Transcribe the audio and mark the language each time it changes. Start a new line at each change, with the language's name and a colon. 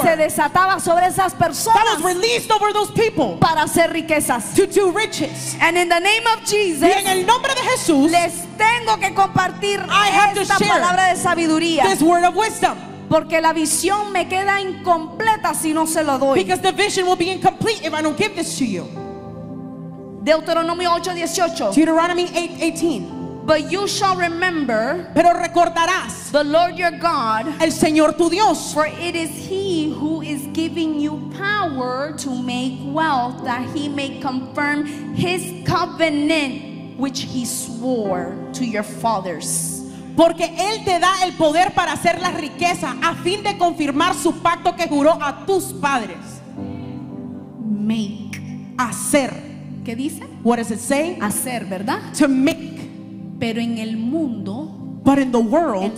Spanish: que se desataba sobre esas personas,
English: that was released over those people,
Spanish: para hacer riquezas,
English: to do riches, and in the name of Jesus,
Spanish: y en el nombre de Jesús, les tengo que compartir,
English: I have
Spanish: esta
English: to share
Spanish: palabra de sabiduría,
English: this word of wisdom,
Spanish: porque la visión me queda incompleta si no se lo doy,
English: because the vision will be incomplete if I don't give this to you.
Spanish: Deuteronomio 8:18.
English: Deuteronomy 8:18. But you shall remember,
Spanish: pero recordarás,
English: the Lord your God,
Spanish: el Señor tu Dios,
English: for it is he who is giving you power to make wealth, that he may confirm his covenant which he swore to your fathers.
Spanish: Porque él te da el poder para hacer la riqueza a fin de confirmar su pacto que juró a tus padres.
English: Make,
Spanish: hacer. ¿Qué dice?
English: What does it say?
Spanish: Hacer, ¿verdad?
English: To make.
Spanish: Pero en el mundo,
English: but in the world,